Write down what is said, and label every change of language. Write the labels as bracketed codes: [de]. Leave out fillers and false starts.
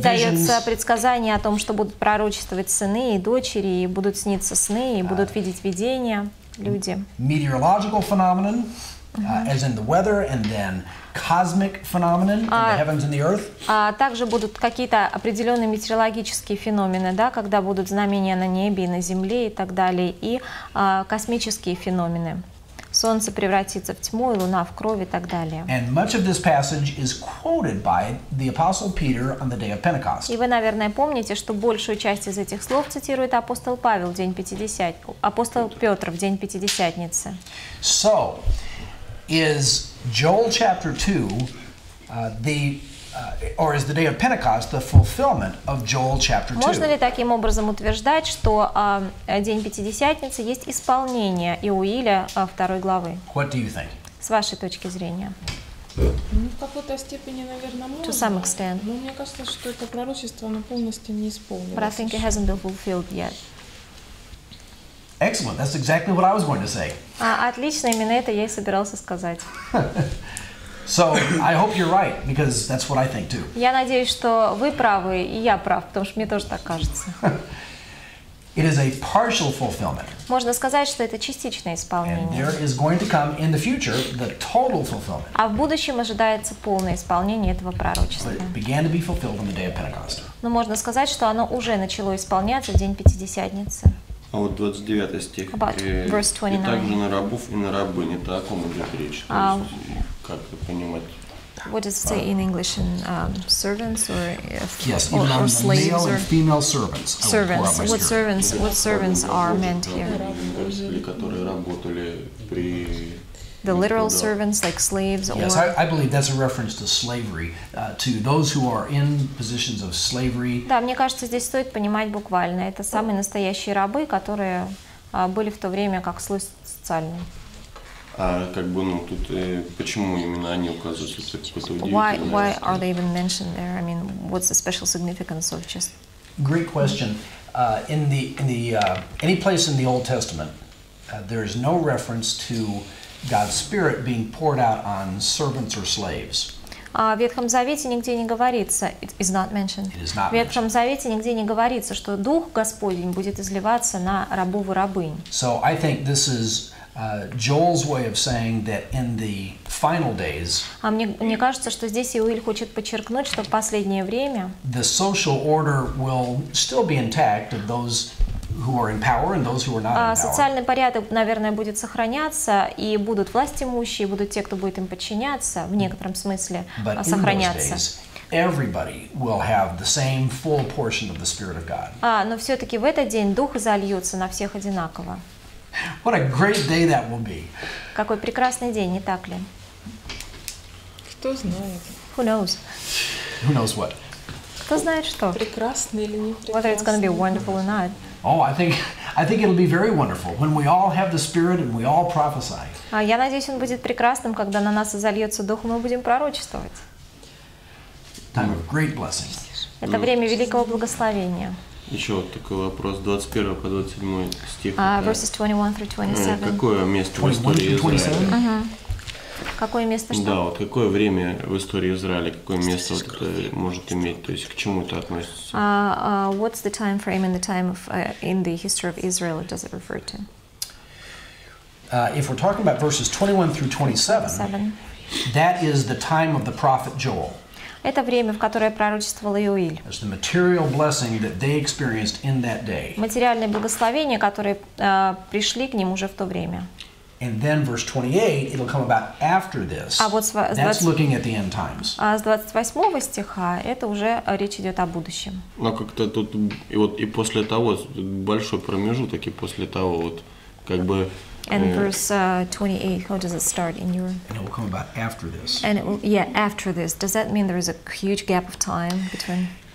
[ru] Здесь дается предсказание о том, что будут пророчествовать сыны и дочери, и будут сниться сны, и будут видеть видения люди. [en] Meteorological phenomenon, as in the weather, and then cosmic phenomenon in the heavens and the earth. [ru] Также будут какие-то определенные метеорологические феномены, да, когда будут знамения на небе и на земле и так далее, и космические феномены. Солнце превратится в тьму, и луна в кровь и так далее. [en] And much of this passage is quoted by the Apostle Peter on the day of Pentecost. [ru] И вы, наверное, помните, что большую часть из этих слов цитирует апостол Павел в день Пятидесятницы, апостол Петр в день Пятидесятницы. [en] So, is Joel chapter 2 or is the day of Pentecost the fulfillment of Joel chapter 2? [ru] Можно ли таким образом утверждать, что день Пятидесятницы есть исполнение Иоиля второй главы? [en] What do you think? [ru] С вашей точки зрения. В какой-то степени, наверное, можно. [en] To some extent. [ru] Но мне кажется, что это пророчество полностью не исполнилось. [en] But I think it hasn't been fulfilled yet. Excellent. That's exactly what I was going to say. [ru] Отлично, именно это я и собирался сказать. [en] So I hope you're right because that's what I think too. [ru] Я надеюсь, что вы правы, и я прав, потому что мне тоже так кажется. [en] It is a partial fulfillment. [ru] Можно сказать, что это частичное исполнение. [en] And there is going to come in the future the total fulfillment. [ru] А в будущем ожидается полное исполнение этого пророчества. [en] But it began to be fulfilled on the day of Pentecost. [ru] Но можно сказать, что оно уже начало исполняться в день Пятидесятницы. А вот 29 стих. [en] Verse 29. [ru] И также на рабов и на рабынь. Это о ком идет речь? Как это понимать? [en] What does it say in English? In servants or if, yes, or, even or on slaves male or and female servants? Servants. What servants? What servants are meant here? [ru] Которые работали при. [en] The literal servants, like slaves, yes, or. Yes, I believe that's a reference to slavery, to those who are in positions of slavery. [ru] Да, мне кажется, здесь стоит понимать буквально. Это самые настоящие рабы, которые были в то время как слуги социальные. А как бы, ну, тут почему именно они указываются, это какое-то удивительное. [en] Why are they even mentioned there? I mean, what's the special significance of just? Great question. In any place in the Old Testament, there is no reference to God's Spirit being poured out on servants or slaves. [ru] В Ветхом Завете нигде не говорится. [en] It is not mentioned. [ru] В Ветхом Завете нигде не говорится, что Дух Господень будет изливаться на рабов и рабынь. [en] So I think this is Joel's way of saying that in the final days. [ru] А мне кажется, что здесь Иоиль хочет подчеркнуть, что в последнее время. [en] The social order will still be intact of those who are in power and those who are not in power. [ru] Социальный порядок, наверное, будет сохраняться, и будут власть имущие, будут те, кто будет им подчиняться, в некотором смысле [en] But [ru] сохраняться. [en] In those days, everybody will have the same full portion of the Spirit of God. [ru] А, но все-таки в этот день Дух зальется на всех одинаково. [en] What a great day that will be. [ru] Какой прекрасный день, не так ли? Кто знает? [en] Who knows? Who knows what? [ru] Кто знает что? Прекрасный или не прекрасный? [en] Whether it's going to be wonderful or not. Oh, I think it'll be very wonderful when we all have the Spirit and we all prophesy. [ru] А я надеюсь, он будет прекрасным, когда на нас изольется Дух, и мы будем пророчествовать. [en] Time of great blessings. [ru] Это время великого благословения. Еще вот такой вопрос, 21 по 27 стих. [en] Verses 21 through 27. [ru] Какое место в истории Израиля? Какое место что? Да, вот какое время в истории Израиля, какое место вот это может иметь, то есть к чему это относится? [en] What's the time frame in the time of in the history of Israel does it refer to? If we're talking about verses 21 through 27, that is the time of the prophet Joel. [ru] Это время, в которое пророчествовал Иоиль. [en] As the material blessing that they experienced in that day. [ru] Материальное благословение, которое пришли к ним уже в то время. [en] And then verse 28, it'll come about after this. [ru] А вот [en] that's looking at the end times. [ru] А с 28 стиха это уже речь идет о будущем. Но как-то тут и вот и после того большой промежуток и после того вот как бы. [en] And verse 28, how does it start in your? And it will come about after this. And it will, yeah, after this. Does that mean there is a huge gap of time between?